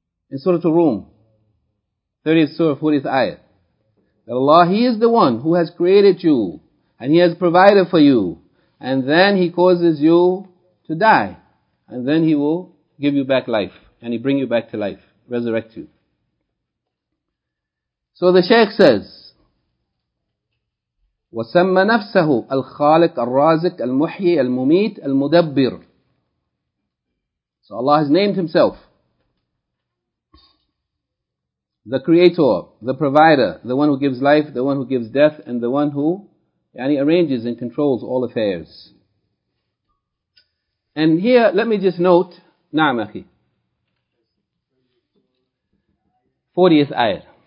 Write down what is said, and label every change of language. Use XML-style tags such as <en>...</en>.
<en>In Surah Al-Rum, 30th Surah, 40th Ayah. That Allah, He is the one who has created you, and He has provided for you, and then He causes you to die, and then He will give you back life, and He bring you back to life, resurrect you. So the Shaykh says,</en> <ar>وَسَمَّ نَفْسَهُ الْخَالِقَ الرَّازِقَ الْمُحْيِي الْمُمِيتَ الْمُدَبِّرَ.</ar> <en>So Allah has named Himself the Creator, the Provider, the one who gives life, the one who gives death, and the one who, yani, arranges and controls all affairs. And here, let me just note,</en> <ar>نعم أخي,</ar> <en>40th ayah.</en>